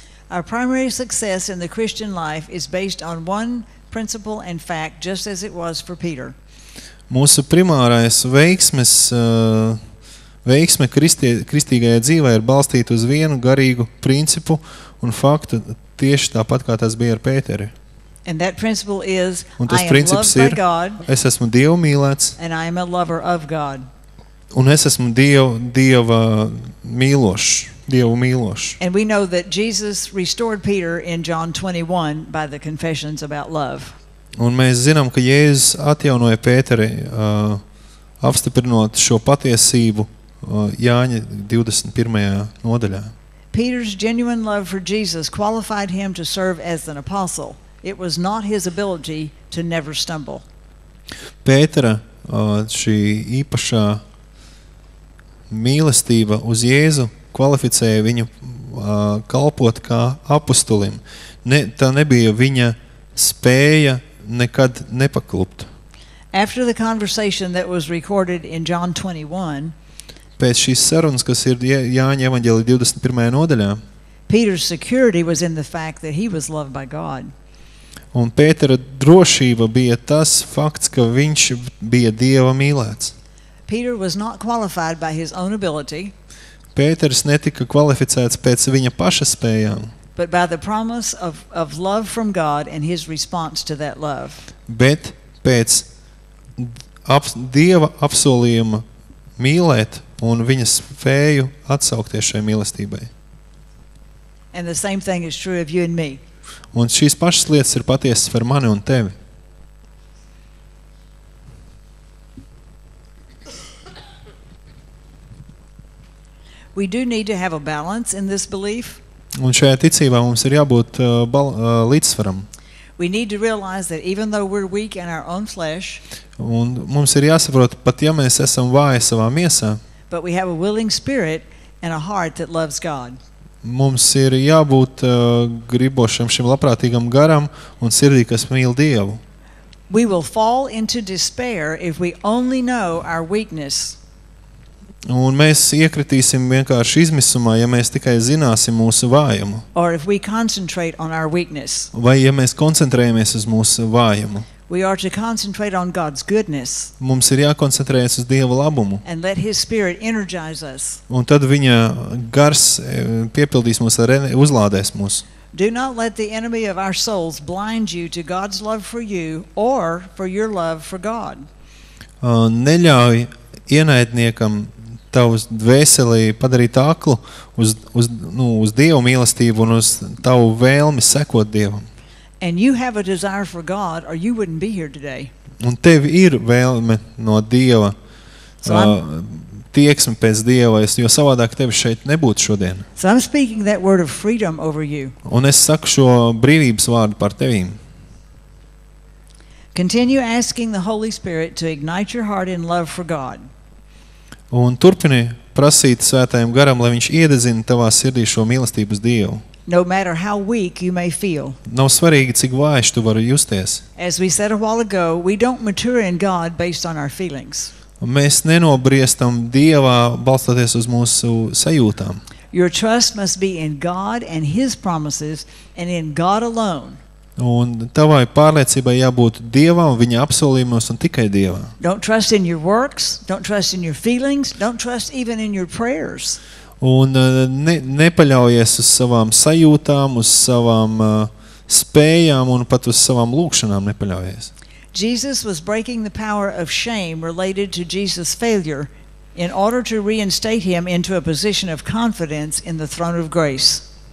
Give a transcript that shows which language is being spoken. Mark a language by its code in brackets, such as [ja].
[en] Our primary success in the Christian life is based on one principle and fact, just as it was for Peter. [lv] Mūsu primārais veiksme kristīgajā dzīvē ir balstīta uz vienu garīgu principu un faktu, tieši tāpat kā tas bija ar Pēteri. [en] And that principle is, [lv] un tas princips ir, es esmu Dievu mīlēts, [en] and I am a lover of God. [lv] Un es esmu Dieva mīlošs, Dievu mīlošs. [en] And we know that Jesus restored Peter in John 21 by the confessions about love. [lv] Un mēs zinām, ka Jēzus atjaunoja Pēteri, apstiprinot šo patiesību Jāņa 21. Nodaļā. [en] Peter's genuine love for Jesus qualified him to serve as an apostle. It was not his ability to never stumble. [lv] Pētera šī īpašā mīlestība uz Jēzu kvalificēja viņu kalpot kā apustulim. Tā nebija viņa spēja nekad nepaklupt. [en] After the conversation that was recorded in John 21, [lv] pēc šīs sarunas, kas ir Jāņa evaņģēlija 21. Nodaļā. [en] Peter's security was in the fact that he was loved by God. [lv] Un Pētera drošība bija tas fakts, ka viņš bija Dieva mīlēts. [en] Peter was not qualified by his own ability. [lv] Pēters netika kvalificēts pēc viņa paša spējām. [en] But by the promise of love from God and his response to that love. [lv] Bet pēc Dieva apsolījuma mīlēt un viņa spēju atsaukties šai mīlestībai. [en] And the same thing is true of you and me. [lv] Un šīs pašas lietas ir patiesas par mani un tevi. [en] We do need to have a balance in this belief. [lv] Un šajā ticībā mums ir jābūt līdzsvaram. [en] We need to realize that even though we're weak in our own flesh, [lv] un mums ir jāsaprot, pat ja mēs esam vāji savā miesā, [en] but we have a willing spirit and a heart that loves God. [lv] Mums ir jābūt gribošam šim labprātīgam garam un sirdī, kas mīl Dievu. [en] We will fall into despair if we only know our weakness. [lv] Un mēs iekritīsim vienkārši izmisumā, ja mēs tikai zināsim mūsu vājumu. [en] Or if we concentrate on our weakness. [lv] Vai ja mēs koncentrējamies uz mūsu vājumu. [en] We are to concentrate on God's goodness. [lv] Mums ir jākoncentrējas uz Dieva labumu. [en] And let his spirit energize us. [lv] Un tad viņa gars piepildīs mūs, uzlādēs mūs. [en] Do not let the enemy of our souls blind you to God's love for you or for your love for God. [lv] Neļauj ienaidniekam tavs dvēselī padarīt aklu uz Dieva mīlestību un uz tavu vēlmi sekot Dievam. [en] And you have a desire for God or you wouldn't be here today. [lv] Un tev ir vēlme no Dieva. Tieksme pēc Dieva, jo savādāk tevi šeit nebūtu šodien. [en] So I'm speaking that word of freedom over you. [lv] Un es saku šo brīvības vārdu par tevīm. [en] Continue asking the Holy Spirit to ignite your heart in love for God. [lv] Un turpini prasīt Svētajam Garam, lai viņš iedzina tavā sirdī šo mīlestību uz Dievu. [en] No matter how weak you may feel. [lv] Nav svarīgi, cik vājš tu vari justies. [en] As we said a while ago, we don't mature in God based on our feelings. [lv] Mēs nenobriestam Dievā balstoties uz mūsu sajūtām. [en] Your trust must be in God and his promises and in God alone. [lv] Un tavai pārliecībai jābūt Dievā un viņa apsolījumos un tikai Dievā. [en] Don't trust in your works, don't trust in your feelings, don't trust even in your prayers. [lv] Un nepaļaujies uz savām sajūtām, uz savām spējām un pat uz savām lūkšanām nepaļaujies. [en] Jesus was breaking the power of shame related to Jesus' failure in order to reinstate him into a position of confidence in the throne of grace.